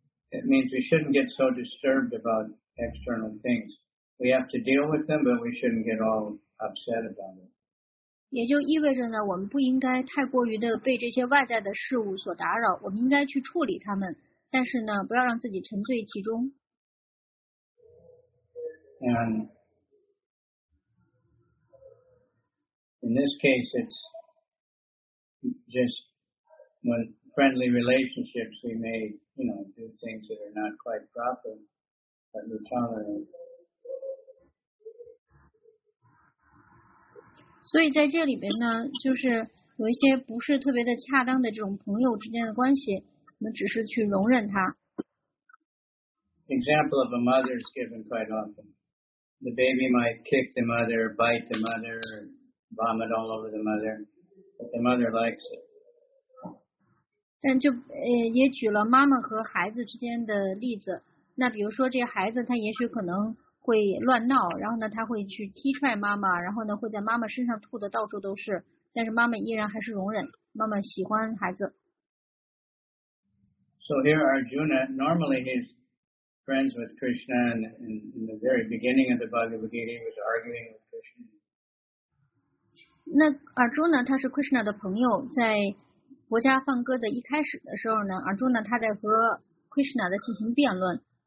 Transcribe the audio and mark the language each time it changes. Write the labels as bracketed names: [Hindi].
[English] It means we shouldn't get so disturbed about external things. We have to deal with them, but we shouldn't get all upset about it. [Chinese] 也就意味着呢，我们不应该太过于的被这些外在的事物所打扰，我们应该去处理它们，但是呢，不要让自己沉醉其中。 [English] And in this case, it's just when friendly relationships we may, you know, do things that are not quite proper, but we tolerate. So, [Chinese] 所以在这里边呢，就是有一些不是特别的恰当的这种朋友之间的关系，我们只是去容忍他。 [English] Example of a mother is given quite often. The baby might kick the mother, bite the mother, vomit all over the mother, but the mother likes it. [Chinese] 但就也举了妈妈和孩子之间的例子。那比如说这个孩子他也许可能会乱闹，然后呢他会去踢踹妈妈，然后呢会在妈妈身上吐的到处都是，但是妈妈依然还是容忍，妈妈喜欢孩子。 [English] So here Arjuna, normally he's friends with Krishna, and in the very beginning of the Bhagavad Gita he was arguing with Krishna. [Chinese] 那 Arjuna 他是 Krishna 的朋友，在佛家放歌的一开始的时候呢， Arjuna 他在和 Krishna 的进行辩论。